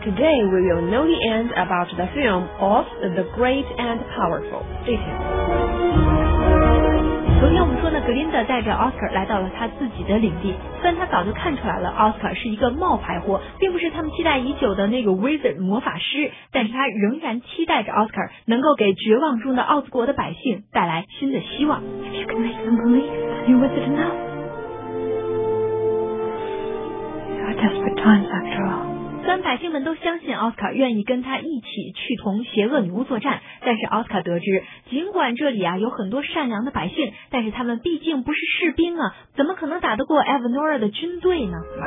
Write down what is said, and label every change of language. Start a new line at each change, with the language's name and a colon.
English: Today we will know the end about the film of The Great and Powerful. Stay tuned.
Chinese: 昨天我们说呢，格林德带着奥斯卡来到了他自己的领地，虽然他早就看出来了奥斯卡是一个冒牌货，并不是他们期待已久的那个 wizard 魔法师，但是他仍然期待着奥斯卡能够给绝望中的奥斯国的百姓带来新的希望。
English: If you can make them believe you're with it enough. There are desperate times after all.
Chinese: 虽然百姓们都相信奥斯卡愿意跟他一起去同邪恶女巫作战，但是奥斯卡得知尽管这里啊有很多善良的百姓，但是他们毕竟不是士兵啊，怎么可能打得过 Evanora 的军队呢？